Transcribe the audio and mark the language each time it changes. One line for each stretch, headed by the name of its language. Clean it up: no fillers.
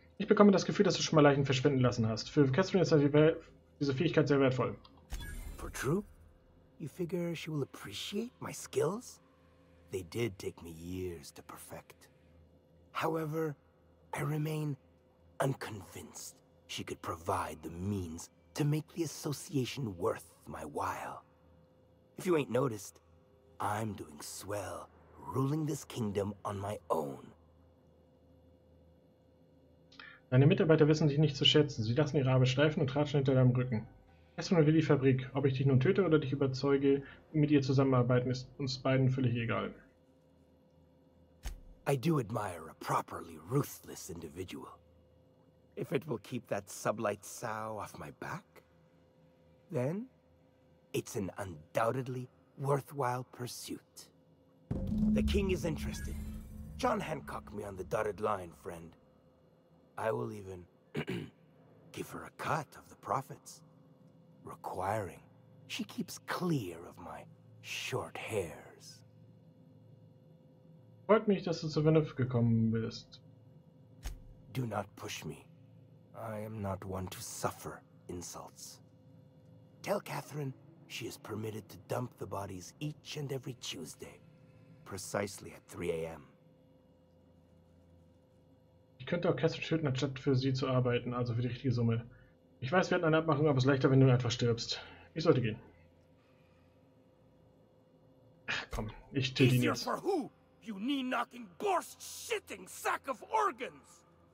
German: Ich bekomme das Gefühl, dass du schon mal Leichen verschwinden lassen hast. Für Catherine ist diese Fähigkeit sehr wertvoll.
English: For true? You figure she will appreciate my skills? They did take me years to perfect. However, I remain unconvinced she could provide the means to make the association worth my while. If you ain't noticed, I'm doing swell, ruling this kingdom on my own.
German: Deine Mitarbeiter wissen dich nicht zu schätzen. Sie lassen ihre Arbeit schleifen und tratschen hinter deinem Rücken. Catherine will die Fabrik. Ob ich dich nun töte oder dich überzeuge, mit ihr zusammenarbeiten, ist uns beiden völlig egal.
English: I do admire a properly ruthless individual. If it will keep that sublight sow off my back, then it's an undoubtedly worthwhile pursuit. The king is interested. John Hancock me on the dotted line, friend. I will even give her a cut of the profits, requiring she keeps clear of my short hairs.
German: Freut mich, dass du zur Vernunft gekommen bist.
English: Do not push me. I am not one to suffer insults. Tell Catherine she is permitted to dump the bodies each and every Tuesday, precisely at 3 a.m.
German: Ich könnte auch Catherine töten, anstatt für sie zu arbeiten, also für die richtige Summe. Ich weiß, wir hatten eine Abmachung, aber es ist leichter, wenn du einfach stirbst. Ich sollte gehen. Ach, komm, ich töte ihn jetzt.
English: You need knocking borst shitting sack of organs.